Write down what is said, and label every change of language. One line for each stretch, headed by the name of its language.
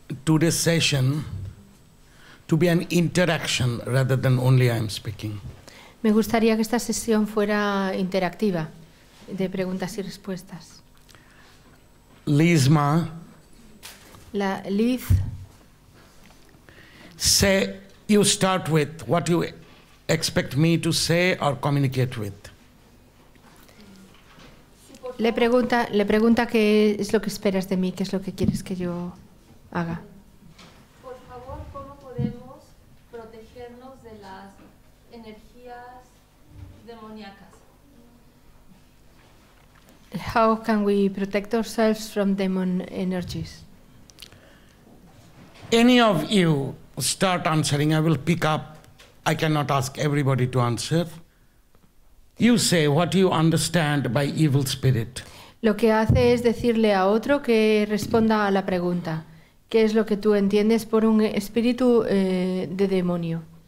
English: to this session to be an interaction rather than only I'm speaking.
Spanish: Me gustaría que esta sesión fuera interactiva, de preguntas y respuestas. Lisma. La Liz.
English: Say, you start with what you expect me to say or communicate with.
Spanish: Le pregunta qué es lo que esperas de mí, qué es lo que quieres que yo haga. Por favor, ¿cómo podemos protegernos de las energías demoníacas?
English: How can we protect ourselves from demon energies? Any of you start answering, I will pick up. I cannot ask everybody to answer. You say what you understand by evil spirit.
Spanish: Lo que hace es decirle a otro que responda a la pregunta. ¿Qué es lo que tú entiendes por un espíritu de demonio?